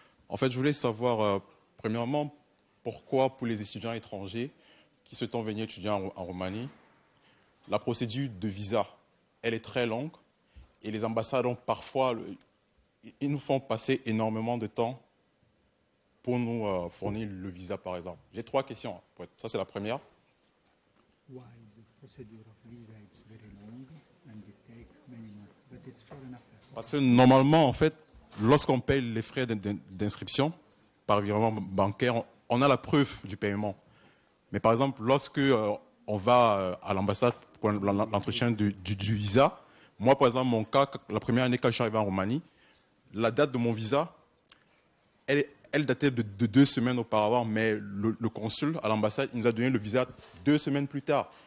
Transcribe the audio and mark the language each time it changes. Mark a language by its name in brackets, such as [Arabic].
[French] En fait, je voulais savoir, premièrement, pourquoi pour les étudiants étrangers qui souhaitent venir étudier en Roumanie, la procédure de visa, elle est très longue et les ambassades ont parfois, ils nous font passer énormément de temps pour nous fournir le visa, par exemple. J'ai trois questions. Ça, c'est la première. [English] Why the procedure of visa is very long and it takes many months, but it's for an affair. [French] Parce que normalement, en fait, lorsqu'on paye les frais d'inscription par virement bancaire, on a la preuve du paiement. Mais par exemple, lorsque on va à l'ambassade pour l'entretien du visa, moi, par exemple, mon cas, la première année quand je suis arrivé en Roumanie, la date de mon visa, elle datait de 2 semaines auparavant, mais le consul à l'ambassade, il nous a donné le visa 2 semaines plus tard.